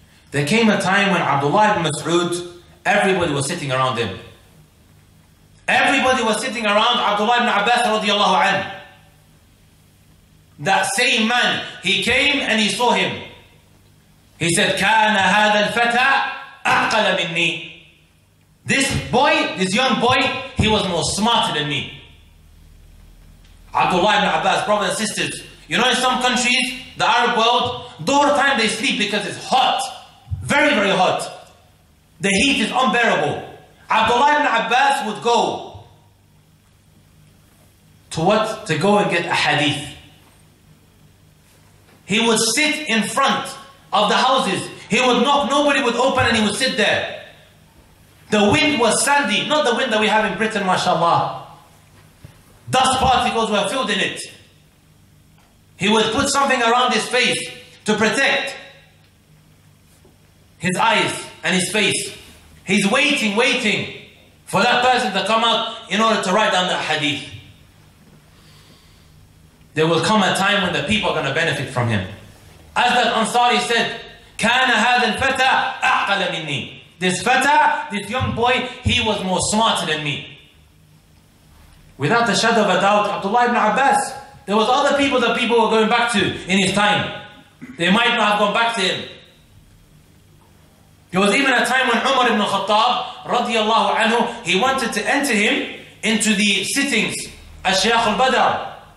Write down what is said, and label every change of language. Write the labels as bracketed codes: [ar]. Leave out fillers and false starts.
[en] There came a time when Abdullah ibn Mas'ud, everybody was sitting around him. Everybody was sitting around Abdullah ibn Abbas radiallahu anhu. That same man, he came and he saw him. [ar] He said, كَانَ هَذَا الْفَتَى أَعْقَلَ مِنِّي. [en] This boy, this young boy, he was more smarter than me. Abdullah ibn Abbas, brothers and sisters, you know in some countries, the Arab world, door time they sleep because it's hot. Very, very hot. The heat is unbearable. Abdullah ibn Abbas would go to what? To go and get a hadith. He would sit in front of the houses. He would knock, nobody would open, and he would sit there. The wind was sandy, not the wind that we have in Britain, mashallah. Dust particles were filled in it. He would put something around his face to protect his eyes and his face. He's waiting, waiting for that person to come out in order to write down that hadith. There will come a time when the people are going to benefit from him. [ar] As that Ansari said, كَانَ هَذَا الْفَتَى أَعْقَلَ مِنِّي. [en] This fata, this young boy, he was more smarter than me. Without a shadow of a doubt, Abdullah ibn Abbas, there was other people that people were going back to in his time. They might not have gone back to him. There was even a time when Umar ibn Khattab, radiallahu anhu, he wanted to enter him into the sittings as Shaykh al-Badr.